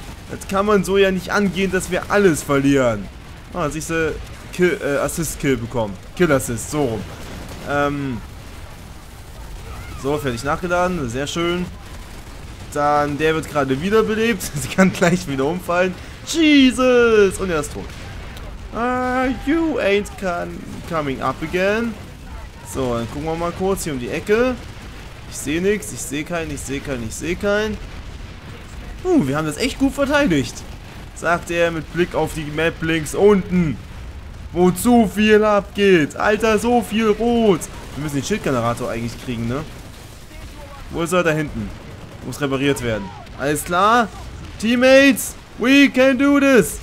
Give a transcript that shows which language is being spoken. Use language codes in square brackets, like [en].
[de] Das kann man so ja nicht angehen, dass wir alles verlieren. Ah, dass ich so Assist-Kill bekommen. Kill-Assist, so rum. So, fertig nachgeladen, sehr schön. Dann, der wird gerade wiederbelebt. Sie kann gleich wieder umfallen. Jesus! Und er ist tot. [en] You ain't coming up again. [de] So, dann gucken wir mal kurz hier um die Ecke. Ich sehe nichts. Ich sehe keinen. Ich sehe keinen. Ich sehe keinen. Wir haben das echt gut verteidigt. Sagt er mit Blick auf die Map links unten. Wo zu viel abgeht. Alter, so viel Rot. Wir müssen den Schildgenerator eigentlich kriegen, ne? Wo ist er? Da hinten. Muss repariert werden. Alles klar. [en] Teammates, we can do this.